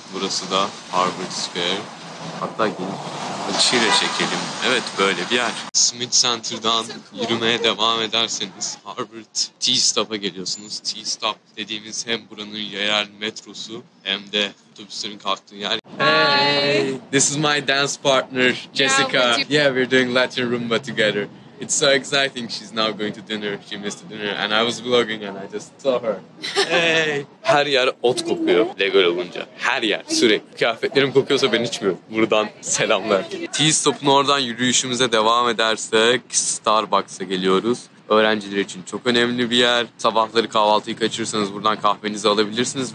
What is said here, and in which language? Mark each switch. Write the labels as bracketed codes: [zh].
[tr] Burası da Harvard Square. Hatta gelin. Açıyla çekelim. Evet, böyle bir yer. Smith Center'dan yürümeye devam ederseniz Harvard T-Stop'a geliyorsunuz. T-Stop dediğimiz hem buranın yerel metrosu hem de otobüslerin kalktığı yer. Hey! [en] This is my dance partner Jessica. Yeah, we're doing Latin Rumba together. It's so exciting. She's now going to dinner. She missed the dinner. And I was vlogging and I just saw her. Hey! [tr] Her yer ot kokuyor legal olunca. Her yer sürekli. Kıyafetlerim kokuyorsa ben içmiyorum. Buradan selamlar. T-Stop'un oradan yürüyüşümüze devam edersek Starbucks'a geliyoruz. Öğrenciler için çok önemli bir yer. Sabahları kahvaltıyı kaçırırsanız buradan kahvenizi alabilirsiniz.